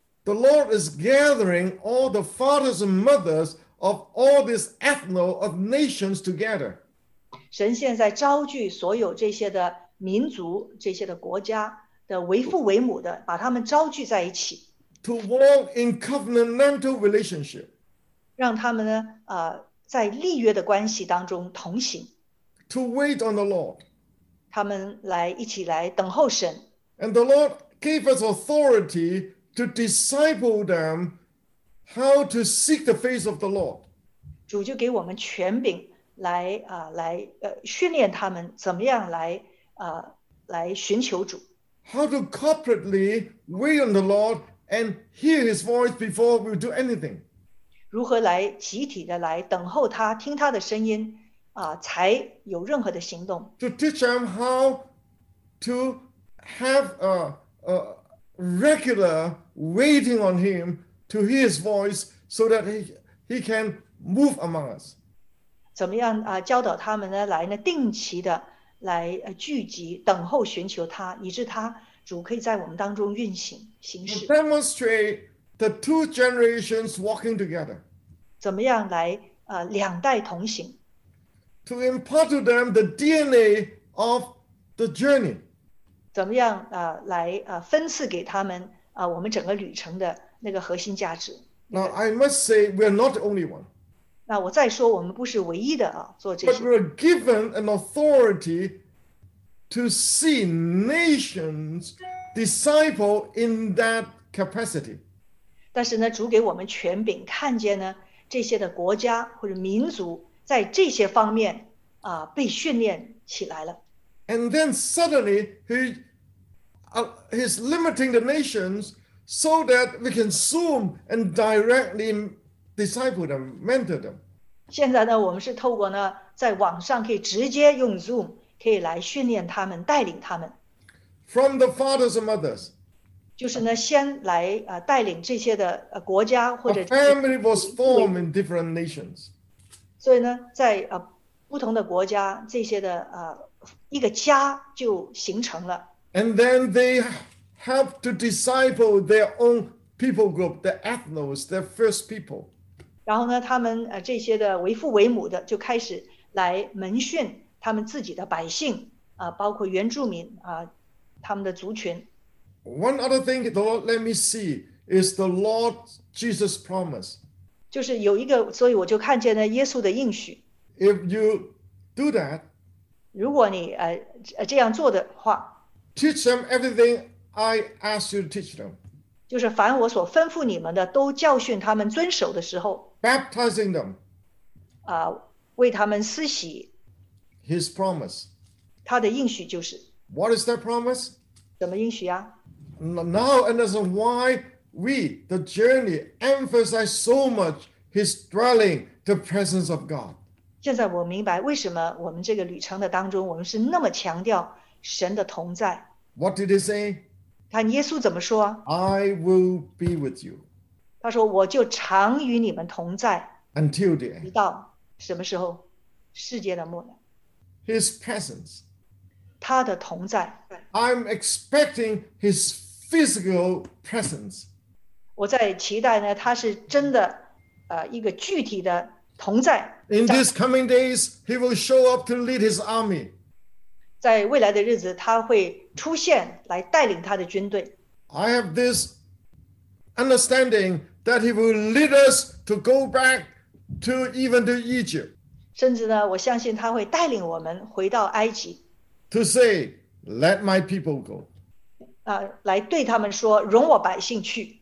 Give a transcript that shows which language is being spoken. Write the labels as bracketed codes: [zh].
[en] The Lord is gathering all the fathers and mothers of all this ethno of nations together. [zh] 神现在召聚所有这些的民族这些的国家的为父为母的把他们招聚在一起 [en] to walk in covenantal relationship [zh] 让他们呢在立约的关系当中同行 [en] to wait on the Lord [zh] 他们来一起来等候神 [en] and the Lord gave us authority to disciple them how to seek the face of the Lord [zh] 主就给我们权柄来来训练他们怎么样来来寻求主 [en] how to corporately wait on the Lord and hear his voice before we do anything [zh] 如何来集体的来等候他听他的声音才有任何的行动 [en] to teach them how to have a regular waiting on him to hear his voice so that he can move among us [zh] 怎么样教导他们呢来呢定期的来聚集等候寻求他以致他主可以在我们当中运行行事 [en] demonstrate the two generations walking together [zh] 怎么样来两代同行 [en] to impart to them the DNA of the journey [zh] 怎么样来分赐给他们我们整个旅程的那个核心价值 [en] Now I must say we are not the only one [zh] 那我再说我们不是唯一的做这些 [en] But we are given an authority to see nations disciple in that capacity [zh] 但是呢主给我们权柄看见呢这些的国家或者民族在这些方面被训练起来了 [en] And then suddenly he's limiting the nations so that we can zoom and directly disciple them, mentor them. [zh] 现在呢，我们是透过呢，在网上可以直接用 Zoom 可以来训练他们，带领他们。 [en] From the fathers and mothers. [zh] 就是呢，先来带领这些的国家或者。 [en] A family was formed in different nations. [zh] 所以呢，在不同的国家，这些的一个家就形成了。 [en] And then they have to disciple their own people group, the ethnos, their first people. [zh] 然后呢，他们这些的为父为母的就开始来门训他们自己的百姓包括原住民他们的族群。 [en] One other thing the Lord let me see is the Lord Jesus' promise. [zh] 就是有一个，所以我就看见了耶稣的应许。 [en] If you do that, [zh] 如果你这样做的话。 [en] Teach them everything I ask you to teach them. [zh] 就是凡我所吩咐你们的都教训他们遵守的时候 [en] Baptizing them. [zh] 为他们施洗 [en] His promise. [zh] 他的应许就是 [en] What is that promise? [zh] 怎么应许啊 [en] Now understand why we, the journey, emphasize so much his dwelling, the presence of God. [zh] 现在我明白为什么我们这个旅程的当中我们是那么强调神的同在。 [en] What did he say? [zh] 看耶稣怎么说 [en] ？I will be with you. [zh] 他说我就常与你们同在。 [en] Until the end. [zh] 直到什么时候？世界的末了。 [en] His presence. [zh] 他的同在。 [en] I'm expecting his physical presence. [zh] 我在期待呢，他是真的，一个具体的同在。 [en] In these coming days, he will show up to lead his army. [zh] 在未来的日子，他会出现来带领他的军队。 [en] I have this understanding that he will lead us to go back to even to Egypt. [zh] 甚至呢，我相信他会带领我们回到埃及。 [en] To say, "Let my people go." [zh] 来对他们说，容我百姓去。